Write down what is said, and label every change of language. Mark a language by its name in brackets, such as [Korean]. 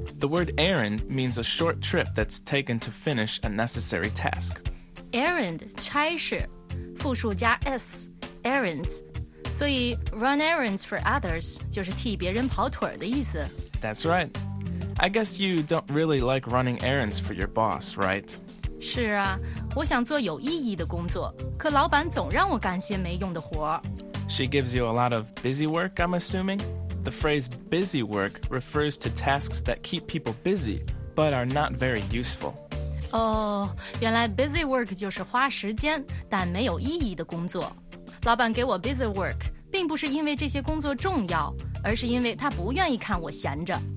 [English] The word errand means a short trip that's taken to finish a necessary task. [Chinese] Errand,差事,复数加S, errands. 所以 [English] run errands for others [Chinese] 就是替别人跑腿儿的意思。 [English] That's right. I guess you don't really like running errands for your boss, right? [Chinese] 是啊,我想做有意义的工作,可老板总让我干些没用的活。 [English] She gives you a lot of busy work, I'm assuming? The phrase busy work refers to tasks that keep people busy, but are not very useful. [Chinese] 哦,原来busy work就是花时间,但没有意义的工作。老板给我busy work,并不是因为这些工作重要,而是因为他不愿意看我闲着。